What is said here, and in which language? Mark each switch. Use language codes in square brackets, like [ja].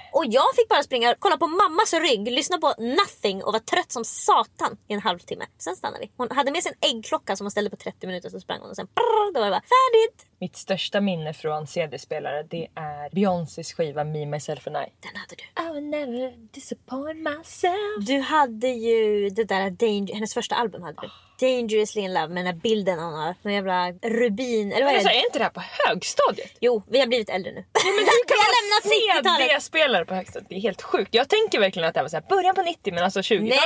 [sv] Och jag fick bara springa, kolla på mammas rygg, lyssna på nothing och vara trött som satan i en halvtimme. Sen stannade vi. Hon hade med sig en äggklocka som hon ställde på 30 minuter, så sprang hon och sen brrr, då var det bara färdigt. Mitt största minne från CD-spelare, det är Beyoncés skiva Me, Myself and I. Den hade du. [en] I will never disappoint myself. [sv] Du hade ju det där hennes första album hade du. Dangerously in love, med den här bilden hon har. Någon jävla rubin. Eller vad är det? Är inte det här på högstadiet? Jo, vi har blivit äldre nu. Nej, men du kan ha CD-spelare på högstadiet. Det är helt sjukt. Jag tänker verkligen att det var så här början på 90, men alltså 20-talet.